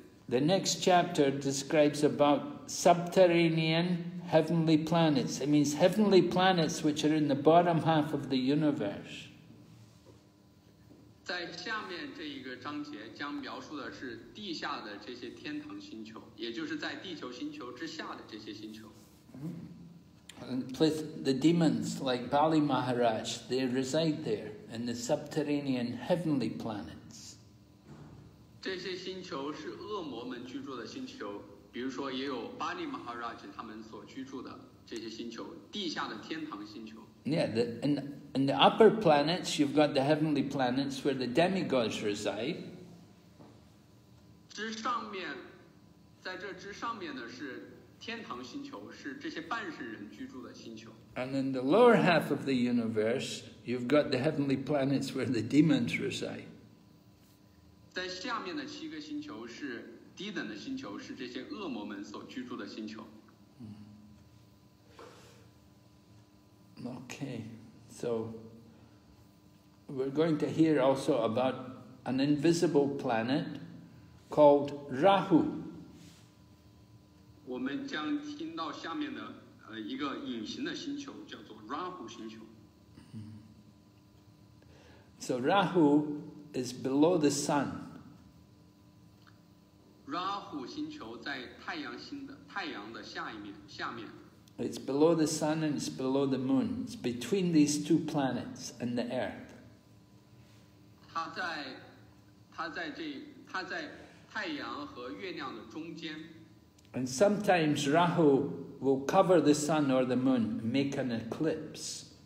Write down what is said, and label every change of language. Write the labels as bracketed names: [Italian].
[English] The next chapter describes about subterranean heavenly planets. It means heavenly planets which are in the bottom half of the universe. [Chinese] 在下面这一个章节将描述的是地下的这些天堂星球，也就是在地球星球之下的这些星球。 [English] The demons like Bali Maharaj, they reside there in the subterranean heavenly planet. [Chinese] 这些星球是恶魔们居住的星球，比如说也有巴利马哈拉吉他们所居住的这些星球，地下的天堂星球。 [English] Yeah, in the upper planets, you've got the heavenly planets where the demigods reside. [Chinese] 之上面，在这之上面的是天堂星球，是这些半神人居住的星球。 [English] And in the lower half of the universe, you've got the heavenly planets where the demons reside. [Chinese] 在下面的七个星球是低等的星球，是这些恶魔们所居住的星球。 [English] Okay, so we're going to hear also about an invisible planet called Rahu. [Chinese] 我们将听到下面的一个隐形的星球，叫做 Rahu 星球。 [English] So Rahu is below the sun. [Chinese] Rahu 星球在太阳的下面。 [English] It's below the sun and it's below the moon. It's between these two planets and the earth. [Chinese] 它在太阳和月亮的中间。 [English] And sometimes Rahu will cover the sun or the moon, make an eclipse.